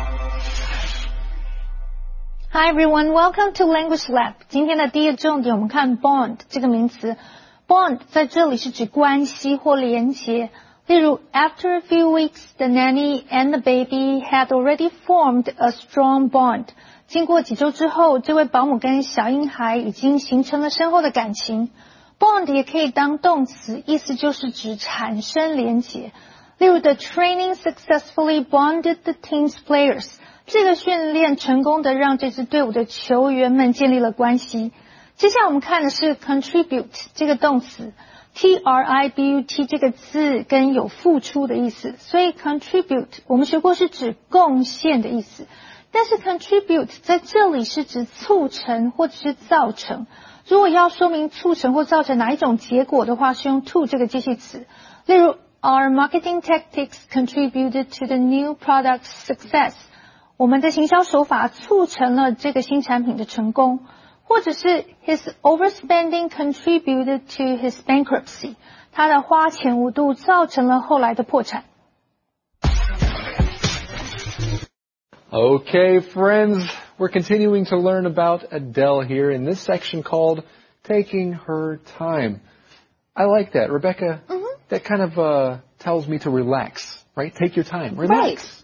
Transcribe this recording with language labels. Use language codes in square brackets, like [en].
[en] Hi everyone, welcome to Language Lab. [zh] 今天的第一重点我们看 bond 这个名词。Bond 在这里是指关系或连结。例如 [en] after a few weeks, the nanny and the baby had already formed a strong bond. [zh] 经过几周之后这位保姆跟小婴孩已经形成了深厚的感情。 Bond 也可以当动词意思就是指产生连结。例如 [en] the training successfully bonded the team's players. [zh] 这个训练成功的让这支队伍的球员们建立了关系。接下来我们看的是 contribute 这个动词。T-R-I-B-U-T 这个字跟有付出的意思，所以 contribute 我们学过是指贡献的意思，但是 contribute 在这里是指促成或者是造成。如果要说明促成或造成哪一种结果的话，是用 to 这个介系词。例如 [en] Our marketing tactics contributed to the new product's success. [zh] 我们的行销手法促成了这个新产品的成功。或者是 [en] his overspending contributed to his bankruptcy. [zh] 他的花钱无度造成了后来的破产。 [en] Okay, friends, we're continuing to learn about Adele here in this section called Taking Her Time. I like that. Rebecca, that kind of, tells me to relax. Right? Take your time. Relax.